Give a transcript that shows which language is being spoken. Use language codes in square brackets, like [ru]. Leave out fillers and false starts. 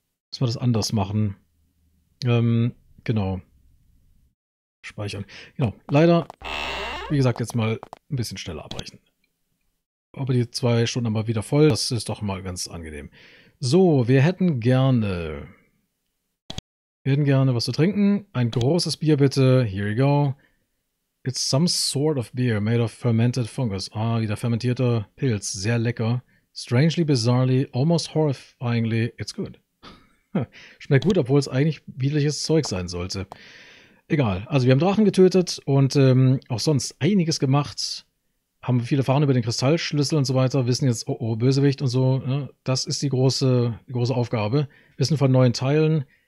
[de] Müssen wir das anders machen. Genau. Speichern. Genau. Leider, wie gesagt, jetzt mal ein bisschen schneller abbrechen. Aber die 2 Stunden haben wir wieder voll. Das ist doch mal ganz angenehm. So, wir hätten gerne was zu trinken. Ein großes Bier bitte. [en] Here you go. It's some sort of beer made of fermented fungus. [de] Ah, wieder fermentierter Pilz. Sehr lecker. [en] Strangely, bizarrely, almost horrifyingly, it's good. [de] Schmeckt gut, obwohl es eigentlich widerliches Zeug sein sollte. Egal. Also, wir haben Drachen getötet und auch sonst einiges gemacht. Haben viel erfahren über den Kristallschlüssel und so weiter. Wissen jetzt, oh, Bösewicht und so. Ne? Das ist die große Aufgabe. Wissen von neuen Teilen.